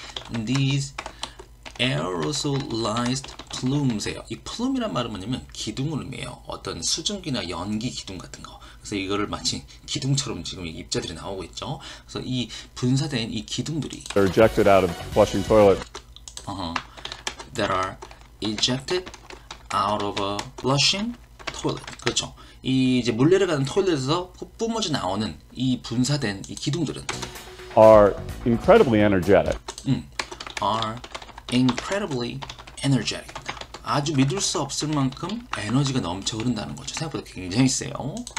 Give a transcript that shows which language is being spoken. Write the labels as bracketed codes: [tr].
[en] These aerosolized plumes예요. [ko] 이 plume이란 말은 뭐냐면 기둥을 의미해요. 어떤 수증기나 연기 기둥 같은 거. 그래서 이거를 마치 기둥처럼 지금 입자들이 나오고 있죠. 그래서 이 분사된 이 기둥들이. [en] They're ejected out of flushing toilet. That are ejected out of a flushing toilet. [ko] 그렇죠. 이 이제 물 내려가는 토일렛에서 뿜어져 나오는 이 분사된 이 기둥들은 [en] are incredibly energetic. Are incredibly energetic. [ko] 아주 믿을 수 없을 만큼 에너지가 넘쳐 흐른다는 거죠. 생각보다 굉장히 세요.